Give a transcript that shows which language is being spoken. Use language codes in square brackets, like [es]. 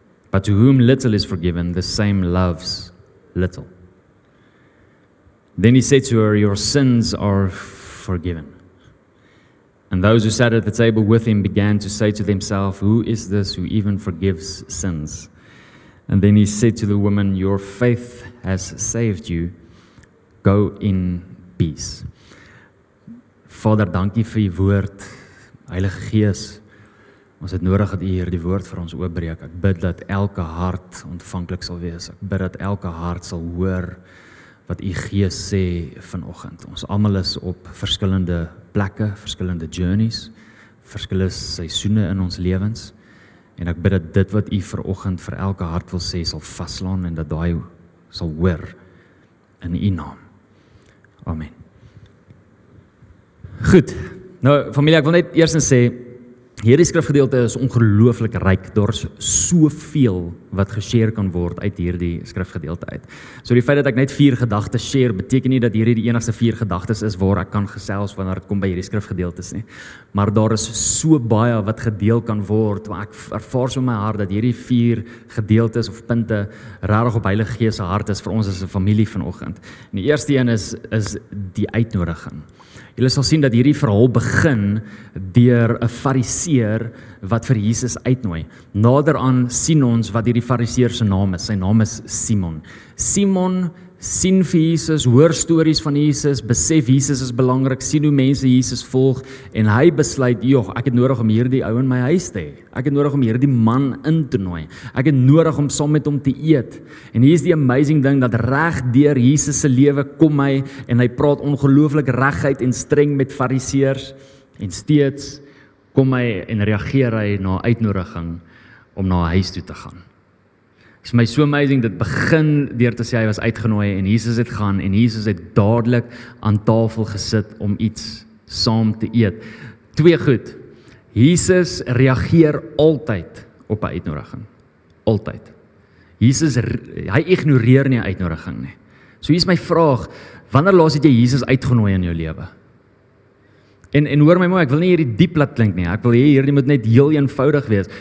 [en] But to whom little is forgiven, the same loves little. Then he said to her, your sins are forgiven. And those who sat at the table with him began to say to themselves, who is this who even forgives sins? And then he said to the woman, your faith has saved you. Go in peace. [af] Vader, dankie vir die woord. Heilige Gees, ons het nodig dat u hier die woord vir ons oopbreek. Ek bid dat elke hart ontvanklik sal wees. Ek bid dat elke hart sal hoor wat u Gees sê vanoggend. Ons almal is op verskillende plekke, verskillende journeys, verskillende seisoene in ons lewens. En ek bid dat dit wat u vanoggend vir elke hart wil sê sal vaslaan en dat daai sal hoor in u naam. Amen. Goed, nou familie, ek wil net eerst sê, hierdie skrifgedeelte is ongelooflik ryk, daar is soveel wat geshare kan word uit hierdie skrifgedeelte uit. So die feit dat ek net vier gedagtes share, beteken nie dat hierdie die enigste vier gedagtes is waar ek kan gesels wanneer het kom by hierdie skrifgedeeltes nie. Maar daar is so baie wat gedeel kan word, want ek ervaar so my hart dat hierdie vier gedeeltes of punte rarig op Heilige Gees se hart is vir ons as 'n familie vanoggend. En die eerste een is die uitnodiging. Julle sal sien dat hierdie verhaal begin deur 'n fariseer wat vir Jesus uitnooi. Nader aan sien ons wat hierdie fariseer se naam is. Sy naam is Simon. Simon sien vir Jesus, hoor stories van Jesus, besef Jesus is belangrik, sien hoe mense Jesus volg en hy besluit, joh, ek het nodig om hierdie ou in my huis te hê. Ek het nodig om hierdie man in te nooi. Ek het nodig om saam met hom te eet. En hier is die amazing ding dat reg deur Jesus se lewe kom hy en hy praat ongelooflik regheid en streng met fariseers en steeds kom hy en reageer hy na uitnodiging om na huis toe te gaan. Het is my so amazing, dit begin deur te sê hy was uitgenooi en Jesus het gaan en Jesus het dadelijk aan tafel gesit om iets saam te eet. Twee goed, Jesus reageer altyd op 'n uitnodiging, altyd. Jesus, hy ignoreer nie 'n uitnodiging nie. So hier is my vraag, wanneer laas het jy Jesus uitgenooi in jou lewe? En hoor my mooi, ek wil nie hierdie diep laat klink nie, ek wil hierdie moet net heel eenvoudig wees.